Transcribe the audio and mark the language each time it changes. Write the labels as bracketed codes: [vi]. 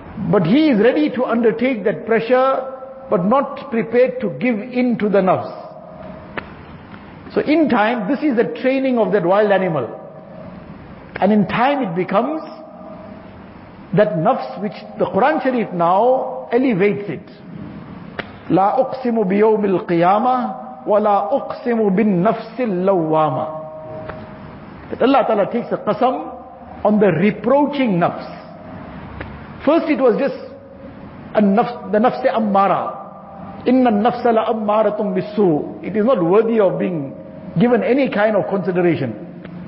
[en] But he is ready to undertake that pressure, but not prepared to give in to the nafs. So in time, this is the training of that wild animal. And in time it becomes that nafs which the Quran Sharif now elevates it. [ar] لا أقسم بيوم القيامة ولا أقسم بالنفس اللوامة. [en] That Allah Ta'ala takes a qasam on the reproaching nafs. First it was just the nafs ammara. [ar] إِنَّ النَّفْسَ لَأَمَّارَةٌ بِالسُّوءِ. [en] It is not worthy of being given any kind of consideration.